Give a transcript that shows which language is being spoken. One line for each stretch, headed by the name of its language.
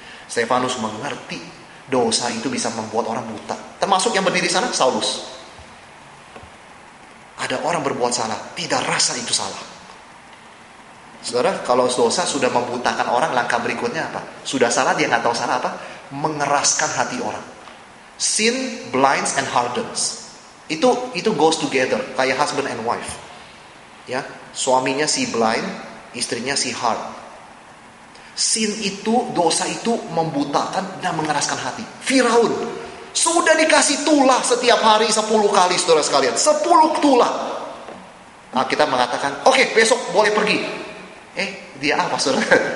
Indonesian: Stefanus mengerti dosa itu bisa membuat orang buta. Termasuk yang berdiri sana, Saulus. Ada orang berbuat salah, tidak rasa itu salah. Saudara, kalau dosa sudah membutakan orang, langkah berikutnya apa? Sudah salah, dia gak tahu salah apa? Mengeraskan hati orang.
English: Sin blinds and hardens.
Indonesian: Itu
English: goes together,
Indonesian: kayak
English: husband and wife.
Indonesian: Ya, suaminya si blind, istrinya si hard. Sin itu, dosa itu membutakan dan mengeraskan hati. Firaun. Sudah dikasih tulah setiap hari 10 kali saudara sekalian. 10 tulah. Nah, kita mengatakan, okay, besok boleh pergi. Dia apa saudara?